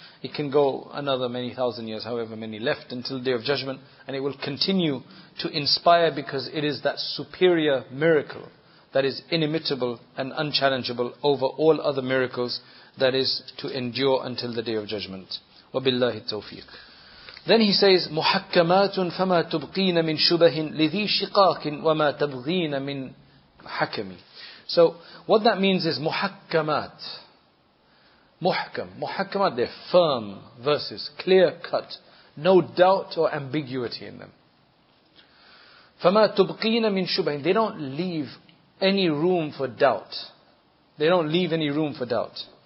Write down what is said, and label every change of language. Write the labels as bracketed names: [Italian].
[English] It can go another many thousand years, however many left, until the Day of Judgment. And it will continue to inspire, because it is that superior miracle that is inimitable and unchallengeable over all other miracles, that is to endure until the Day of Judgment. [Arabic] وَبِاللَّهِ التَّوْفِيقِ. [English] Then he says, [Arabic] مُحَكَّمَاتٌ فَمَا تُبْقِينَ مِنْ شُبَهٍ لِذِي شِقَاقٍ وَمَا تَبْغِينَ مِنْ حَكَمٍ. [English] So what that means is muhakkamat. Muhkam. Muhakkamat, they're firm verses, clear cut, no doubt or ambiguity in them. [Arabic] فَمَا تُبْقِينَ مِنْ شُبَهٍ. [English] They don't leave any room for doubt. They don't leave any room for doubt.